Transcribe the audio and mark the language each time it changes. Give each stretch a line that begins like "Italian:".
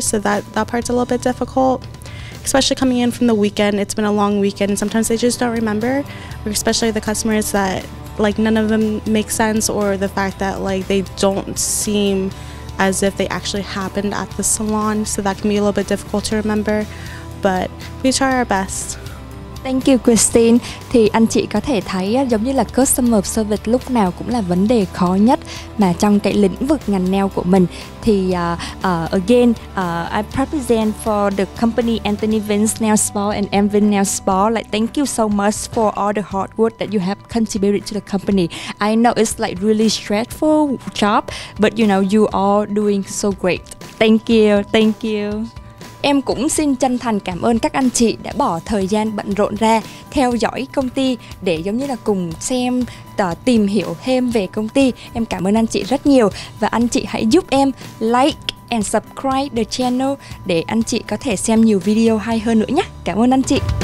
English: So that part's a little bit difficult. Especially coming in from the weekend, it's been a long weekend, and sometimes they just don't remember, especially the customers that like none of them make sense, or the fact that like they don't seem as if they actually happened at the salon. So that can be a little bit difficult to remember, but we try our best. Thank you, Christine.
Vietnamese: Thì anh chị có thể thấy giống như là customer service lúc nào cũng là vấn đề khó nhất mà trong cái lĩnh vực ngành nail của mình.
English: Thì I represent for the company Anthony Vince Nail Spa and Envin Nail Spa. Like, thank you so much for all the hard work that you have contributed to the company. I know it's like really stressful job, but you know, you are doing so great. Thank you.
Vietnamese: Em cũng xin chân thành cảm ơn các anh chị đã bỏ thời gian bận rộn ra theo dõi công ty để giống như là cùng xem, tìm hiểu thêm về công ty. Em cảm ơn anh chị rất nhiều, và anh chị hãy giúp em
English: like and subscribe the channel
Vietnamese: để anh chị có thể xem nhiều video hay hơn nữa nhé. Cảm ơn anh chị.